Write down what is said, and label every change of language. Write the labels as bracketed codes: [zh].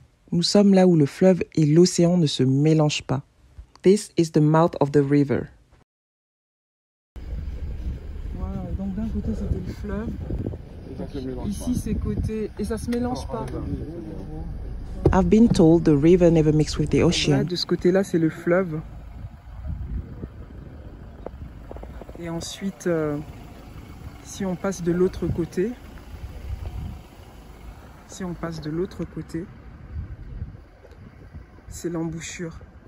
[fr] Nous sommes là où le fleuve et l'océan ne se mélangent pas. [en] This is the mouth of the river. [fr] Wow, donc d'un côté c'était le fleuve. Ici c'est côté et ça se mélange pas. [en] I've been told the river never mixes with the ocean. [fr] Là, de ce côté-là, c'est le fleuve. Et ensuite, si on passe de l'autre côté, c'est l'embouchure.